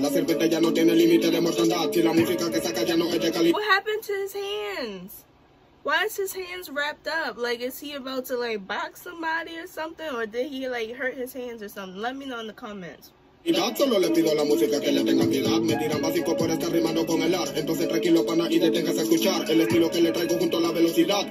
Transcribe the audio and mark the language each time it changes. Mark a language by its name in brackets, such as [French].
[Spanish] La serpiente ya no tiene límite de mortandad. Si la música que saca ya no es de calidad. [English] What happened to his hands? Why is his hands wrapped up? Like, is he about to, like, box somebody or something? Or did he, like, hurt his hands or something? Let me know in the comments. [Spanish] Y tal, solo le pido a la música que le tenga piedad. Me tiran básico por estar rimando con el ar. Entonces tranquilo, pana, y deténgase a escuchar el estilo que le traigo junto a la velocidad.